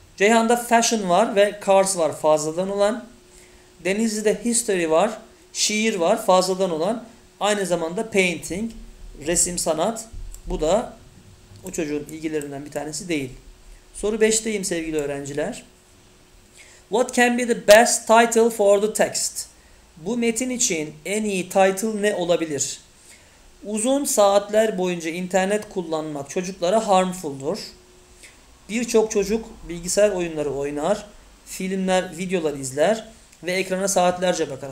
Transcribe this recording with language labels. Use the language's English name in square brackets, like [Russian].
[Turkish] Ceyhan'da fashion var ve cars var, fazladan olan. Denizli'de history var, şiir var, fazladan olan. Aynı zamanda painting, resim sanat. Bu da o çocuğun ilgilerinden bir tanesi değil. Soru 5'teyim sevgili öğrenciler. [English] What can be the best title for the text? [Turkish] Bu metin için en iyi title ne olabilir? Uzun saatler boyunca internet kullanmak çocuklara harmful'dur. Birçok çocuk bilgisayar oyunları oynar, filmler, videolar izler ve ekrana saatlerce bakar.